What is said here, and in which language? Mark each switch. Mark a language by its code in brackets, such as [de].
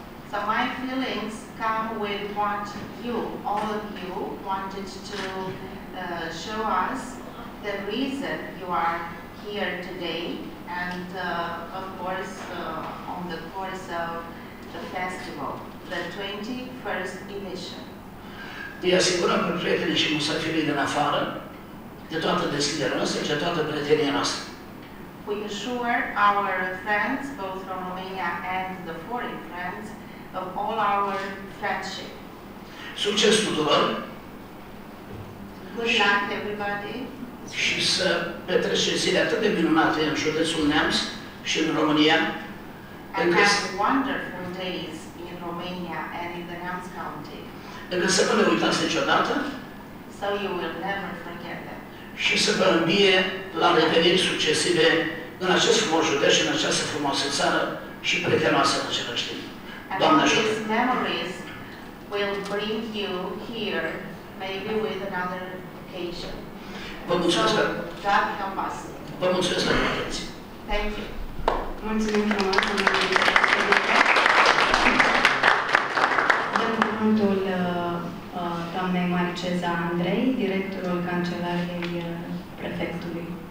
[en] So my feelings come with what you, all of you, wanted to show us the reason you are here today and of course on the course of the festival, the 21st edition. [ro] Îi asigurăm pe prietenii și musafirii din afară de toată deschiderea noastră și de toată prietenia noastră. [en] We assure our friends, both from Romania and the foreign friends, of all our friendship. [ro] Succes tuturor! [en] Good luck, everybody! [ro] Și să petrece zile atât de minunate în județul Neamț și în România. [en] And have wonderful days in Romania and in the Neamț County. [ro] Încât să nu le uitați niciodată. [en] So you will never forget them. [ro] Și să vă îmbie la reveniri succesive în acest frumos județ și în această frumoasă țară și prietenoasă în același timp. [en] And all these memories will bring you here, maybe with another occasion. [ro] Vă mulțumesc. [en] God help us. [ro] Vă mulțumesc pentru atenție. [en] Thank you. [ro] Mulțumim frumos. Dăm cuvântul doamnei Mariceza Andrei, directorul Cancelariei Prefectului.